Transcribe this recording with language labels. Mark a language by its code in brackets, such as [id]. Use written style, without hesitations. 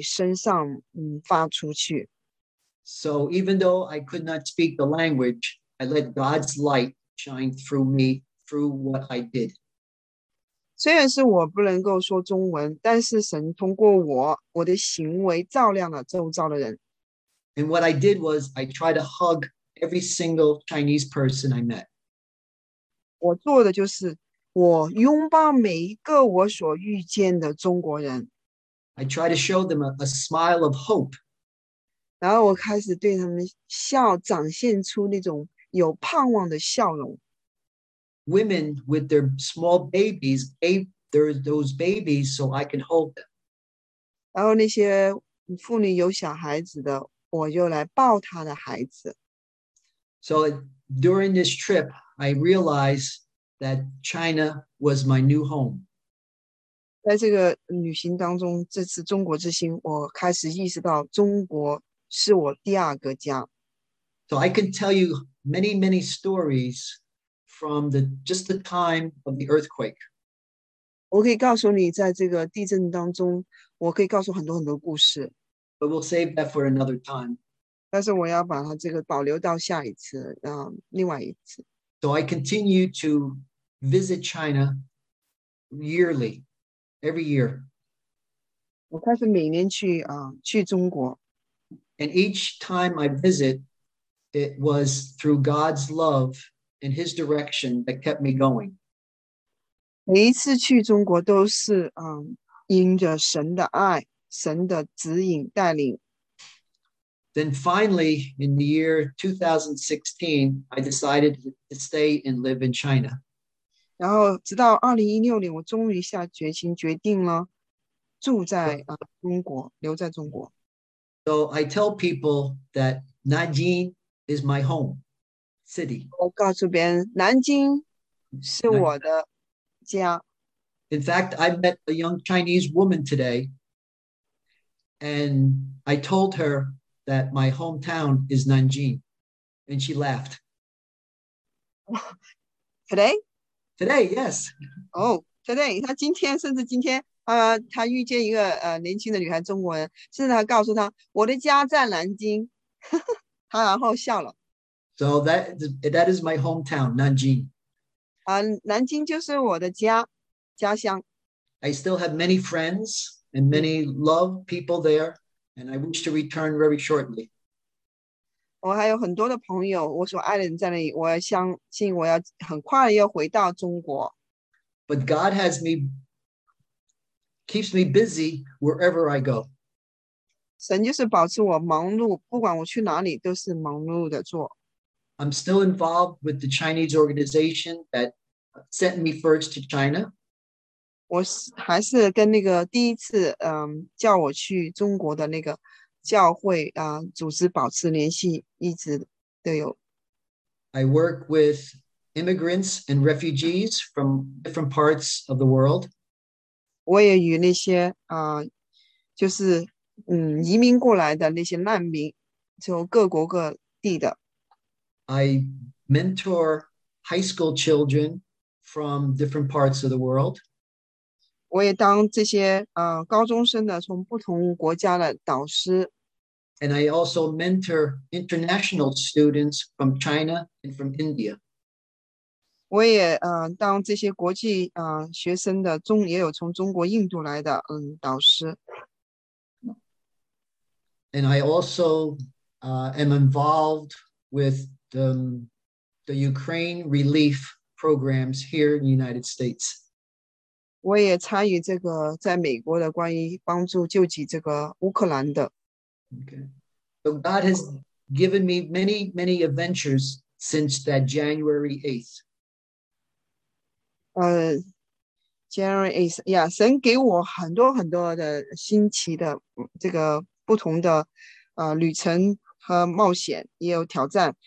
[zh] 然后那天晚上他又给我那个经文，马太福音第五章，就说让我的光从你身上发出去。 [en] So even though I could not speak the language, I let God's light shine through me, through what I did. [zh] 虽然是我不能够说中文，但是神通过我，我的行为照亮了周遭的人。 [en] And what I did was I tried to hug every single Chinese person I met. [zh] 我做的就是我拥抱每一个我所遇见的中国人。 [en] I try to show them a smile of hope. [zh] 然后我开始对他们笑，展现出那种有盼望的笑容。 [en] Women with their small babies gave those babies so I can hold them. [zh] 然后那些妇女有小孩子的，我就来抱她的孩子。 [en] So during this trip, I realized that China was my new home. [zh] 在这个旅行当中，这次中国之行，我开始意识到中国是我第二个家。 [en] So I can tell you many, many stories from just the time of the earthquake. [zh] 我可以告诉你，在这个地震当中，我可以告诉很多很多故事。 [en] But we'll save that for another time. [zh] 但是我要把它这个保留到下一次，另外一次。 [en] So I continue to visit China yearly, every year. [zh] 我开始每年去去中国。 [en] And each time I visit, it was through God's love and His direction that kept me going. [zh] 每一次去中国都是因着神的爱，神的指引带领。 [en] Then finally, in the year 2016, I decided to stay and live in China. [zh] 然后直到2016年，我终于下决心决定了住在中国，留在中国。 [en] So I tell people that Nanjing is my home city. [zh] 我告诉别人，南京是我的家。 [en] In fact, I met a young Chinese woman today, and I told her that my hometown is Nanjing, and she laughed. Today? Today, yes. Oh, today. [zh] 她今天，甚至今天，她遇见一个年轻的女孩，中国人，甚至她告诉她，我的家在南京。她然后笑了。 [en] So that is my hometown, Nanjing. [zh] 南京就是我的家，家乡。 [en] I still have many friends and many loved people there. And I wish to return very shortly. [zh] 我还有很多的朋友，我所爱的人在那里。我要相信，我要很快要回到中国。 [en] But God has me, keeps me busy wherever I go. [zh] 神就是保持我忙碌，不管我去哪里都是忙碌的做。 [en] I'm still involved with the Chinese organization that sent me first to China. [zh] 我还是跟那个第一次叫我去中国的那个教会组织保持联系，一直都有。 [en] I work with immigrants and refugees from different parts of the world. [zh] 我也与那些就是移民过来的那些难民，就各国各地的。 [en] I mentor high school children from different parts of the world. [zh] 我也当这些高中生的从不同国家的导师。 [en] And I also mentor international students from China and from India. [zh] 我也当这些国际学生的中也有从中国印度来的导师。 [en] And I also am involved with the Ukraine relief programs here in the United States. [zh] 我也参与这个在美国的关于帮助救济这个乌克兰的。 [en] Okay. So God has given me many, many adventures since that January 8th. January 8th, yeah, [zh] 神给我很多很多的新奇的这个不同的旅程和冒险也有挑战。